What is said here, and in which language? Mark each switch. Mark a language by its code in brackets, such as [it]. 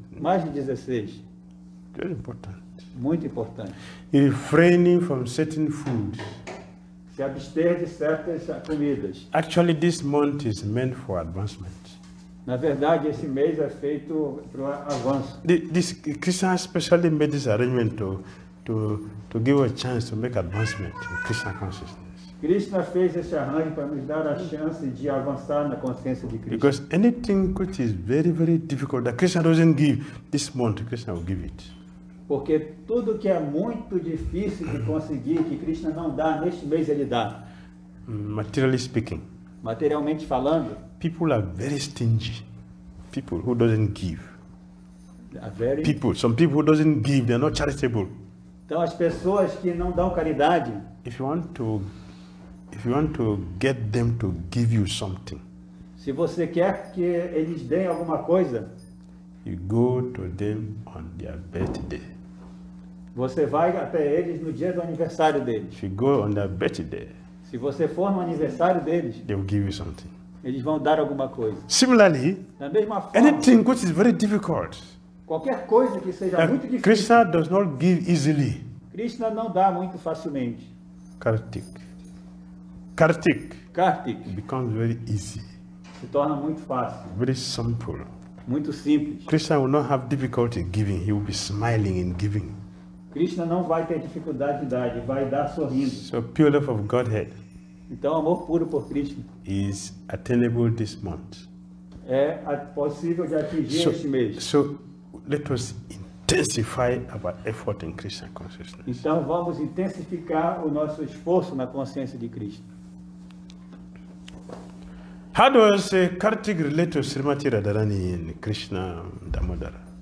[pt] Mais de 16. [en] Very important. [pt] Muito importante. [en] Refraining from certain foods. [pt] Se abster de certas comidas. [en] Actually, this month is meant for advancement. [pt] Na verdade, esse mês é feito para o avanço. [en] This Krishna especially made this arrangement to give a chance to make advancement in Krishna consciousness. [pt] Krishna fez esse arranjo para nos dar a chance de avançar na consciência de Krishna. [en] Because anything which is very, very difficult that Krishna doesn't give this month, Krishna will give it. [pt] Porque tudo que é muito difícil de conseguir, que Krishna não dá, neste mês ele dá. [en] Materially speaking. [pt] Materialmente falando. [en] People are very stingy. People who doesn't give. Very... People, some people who doesn't give, they're not charitable. [pt] Então as pessoas que não dão caridade. [en] If you want to get them to give you something. [pt] Se você quer que eles deem alguma coisa. [en] You go to them on their birthday. [pt] Você vai até eles no dia do aniversário deles. [en] If you go on their birthday. [pt] Se você for no aniversário deles. [en] They will give you something. [pt] Eles vão dar alguma coisa. [en] Similarly. [pt] Da mesma forma. [en] Anything which is very difficult. [pt] Qualquer coisa que seja muito difícil. [en] Krishna does not give easily. [pt] Krishna não dá muito facilmente. [en] Kartik. Becomes very easy. [pt] Se torna muito fácil. [en] Very simple. [pt] Muito simples. [en] Krishna will not have difficulty giving. He will be smiling in giving. [pt] Krishna não vai ter dificuldade de dar, vai dar sorrindo. [en] So pure love of Godhead. [pt] Então amor puro por Krishna. [en] Is attainable this month. [pt] É possível de atingir este mês. [en] So let us intensify our effort in Krishna consciousness. [pt] Então vamos intensificar o nosso esforço na consciência de Krishna. [en] How does Kartik relate to Srimati Radharani and Krishna Damodara?